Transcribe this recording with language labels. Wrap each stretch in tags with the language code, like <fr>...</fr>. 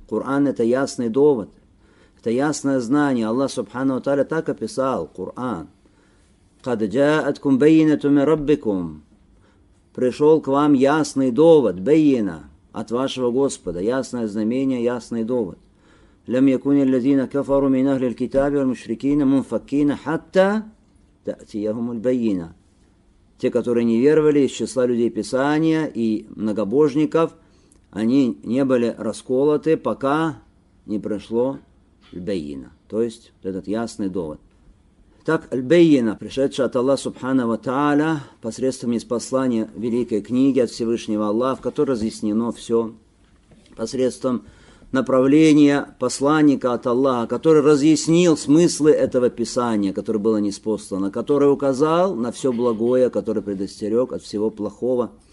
<ru>Кур'ан – это ясный довод. Это ясное знание. Аллах Субхану ва Тааля так описал Кур'ан.</ru> <ar>«Кад джаа'аткум байинату ми раббикум».</ar> <ru>«Пришел к вам ясный довод, байина, от вашего Господа». Ясное знамение, ясный довод.</ru> <ar>لم يكن الذين كفروا من أهل الكتاب والمشركين منفكين حتى تأتيهم البينة.</ar> <ru>Те, которые не веровали из числа людей Писания и многобожников, они не были расколоты, пока не пришло البينة. То есть этот ясный довод. Так البينة, пришедшая от Аллаха Субхана ва Тааля посредством ниспослания великой книги от Всевышнего Аллаха, в которой разъяснено все посредством направление посланника от Аллаха, который разъяснил смыслы этого писания, которое было ниспослано, который указал на все благое, которое предостерег от всего плохого.</ru>